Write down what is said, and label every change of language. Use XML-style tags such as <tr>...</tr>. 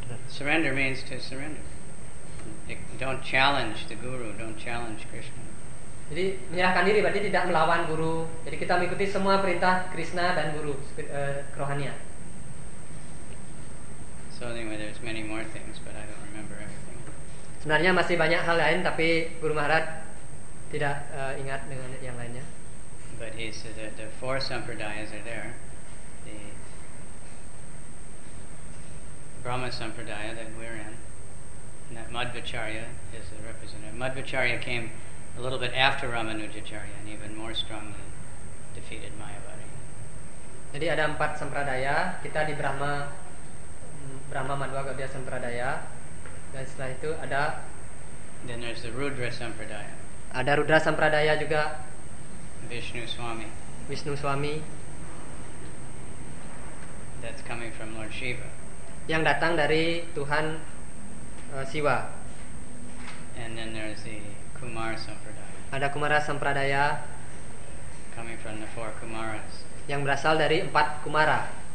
<en>surrender means to surrender. Don't challenge the guru, don't challenge Krishna.</en> <id>Jadi menyerahkan diri berarti tidak melawan guru. Jadi kita mengikuti semua perintah Krishna dan guru kerohanian.</id> <en>So anyway, there's many more things, but I don't remember everything.</en> <id>Sebenarnya masih banyak hal lain, tapi Guru Maharaj tidak ingat dengan yang lainnya.</id> <en>But he said that the four sampradayas are there. The Brahma sampradaya that we're in, and that Madhvacharya is the representative. Madhvacharya came a little bit after Ramanujacharya and even more strongly defeated Mayavadi.</en> <id>Jadi ada empat sampradaya. Kita di Brahma Madhva Gaudiya sampradaya. Dan setelah itu ada.</id> <en>Then there's the Rudra sampradaya.</en> <id>Ada Rudra sampradaya juga.</id> <en>Vishnu Swami. That's coming from Lord Shiva.</en> <id>Yang datang dari Tuhan Siwa.</id> <en>And then there's the Kumara sampradaya.</en> <id>Ada Kumara sampradaya.</id> <en>Coming from the four Kumaras.</en> <id>Yang berasal dari empat Kumara.</id>